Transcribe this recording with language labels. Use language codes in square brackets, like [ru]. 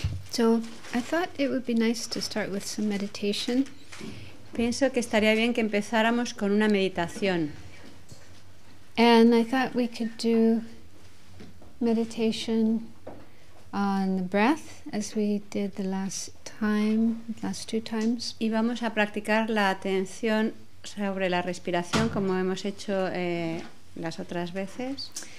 [en] So I thought it would be nice to start with some meditation. [es] Pienso que estaría bien que empezáramos con una meditación. [en] And I thought we could do meditation on the breath as we did the last two times. [es] Y vamos a practicar la atención sobre la respiración como hemos hecho las otras veces.